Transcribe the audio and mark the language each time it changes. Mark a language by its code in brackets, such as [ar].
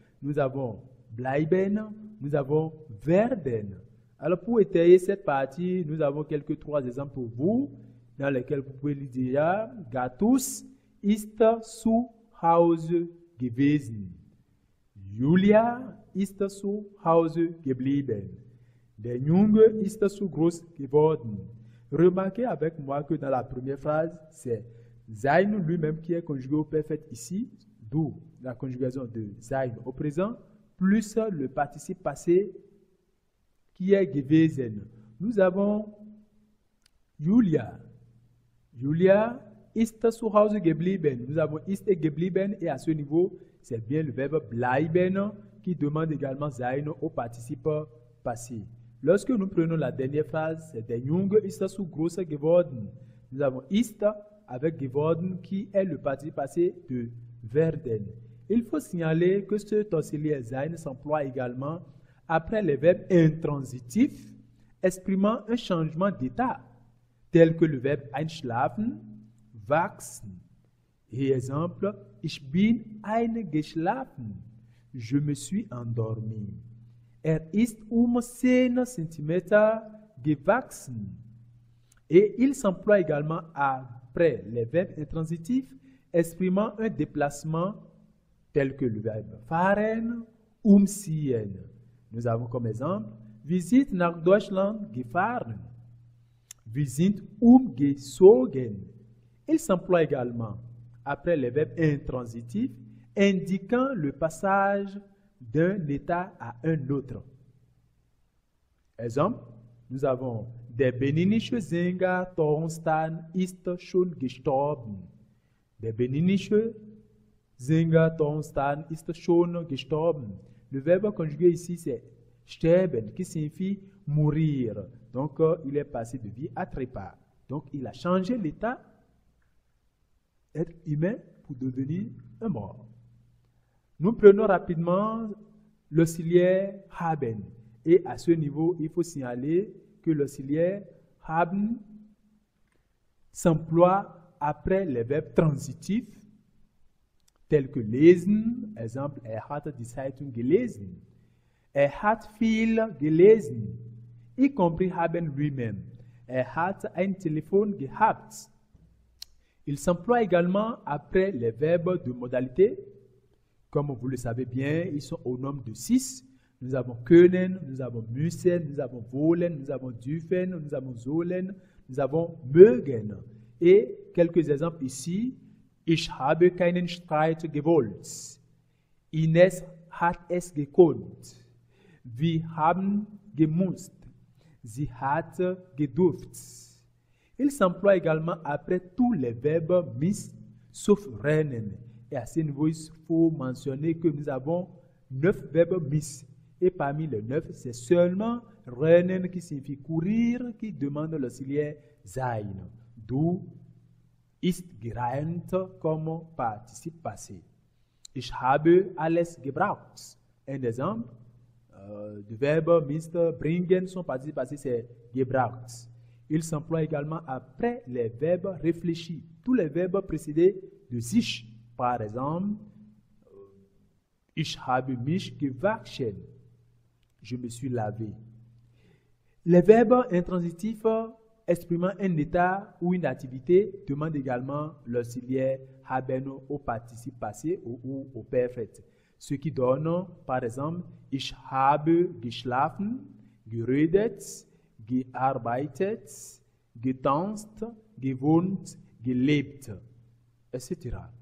[fr] Nous avons Bleiben, nous avons Werden. Alors pour étayer cette partie, nous avons quelques trois exemples pour vous dans lesquels vous pouvez lire déjà [de] Gatus ist zu Hause gewesen. Julia ist zu Hause geblieben. Der Junge ist zu groß geworden. [fr] Remarquez avec moi que dans la première phrase, c'est Zaïn lui-même qui est conjugué au perfect ici, d'où la conjugaison de Zaïn au présent, plus le participe passé qui est gewesen. Nous avons Julia. [de] Julia ist zu Hause geblieben. [fr] Nous avons ist geblieben et à ce niveau, c'est bien le verbe bleiben qui demande également Zaïn au participe passé. Lorsque nous prenons la dernière phrase, c'est Der Junge ist zu groß geworden. Nous avons ist avec geworden qui est le participe passé de werden. Il faut signaler que ce auxiliaire Zaïn s'emploie également après les verbes intransitifs exprimant un changement d'état, tel que le verbe einschlafen, wachsen. Et exemple, [de] ich bin eingeschlafen, [fr] je me suis endormi. [de] Ist 10 cm gewachsen. [fr] Et il s'emploie également après les verbes intransitifs exprimant un déplacement tel que le verbe fahren, umziehen. Nous avons comme exemple, [de] wir sind nach Deutschland gefahren. Wir sind umgezogen. [fr] Il s'emploie également après les verbes intransitifs indiquant le passage d'un état à un autre. Exemple, nous avons [de] Der Beninische Sänger Thorstan ist schon gestorben. Der Beninische Sänger Thorstan ist schon gestorben. [fr] Le verbe conjugué ici c'est sterben qui signifie mourir. Donc il est passé de vie à trépas. Donc il a changé l'état être humain pour devenir un mort. Nous prenons rapidement l'auxiliaire haben. Et à ce niveau, il faut signaler que l'auxiliaire haben s'emploie après les verbes transitifs tels que lesen, exemple, [de] er hat die Zeitung gelesen, er hat viel gelesen, [fr] y compris haben lui-même, [de] er hat ein Telefon gehabt. [fr] Il s'emploie également après les verbes de modalité, comme vous le savez bien, ils sont au nombre de 6. Nous avons können, nous avons müssen, nous avons wollen, nous avons dürfen, nous avons sollen, nous avons mögen. Et quelques exemples ici. [de] Ich habe keinen Streit gewollt. Ines hat es gekonnt. Wir haben gemusst. Sie hat gedurft. [fr] Il s'emploie également après tous les verbes miss sauf rennen. Et à ce niveau, il faut mentionner que nous avons 9 verbes miss. Et parmi les 9, c'est seulement rennen qui signifie courir qui demande l'auxiliaire Zaïn. D'où ist gerannt comme participe passé. [de] Ich habe alles gebraucht. [fr] Un exemple du verbe miss bringen, son participe passé c'est gebraucht. Il s'emploie également après les verbes réfléchis, tous les verbes précédés de sich. Par exemple, [de] ich habe mich gewaschen. [fr] Je me suis lavé. Les verbes intransitifs exprimant un état ou une activité demandent également l'auxiliaire haben au participe passé ou au perfect. Ce qui donne, par exemple, [de] ich habe geschlafen, geredet, gearbeitet, getanzt, gewohnt, gelebt, etc.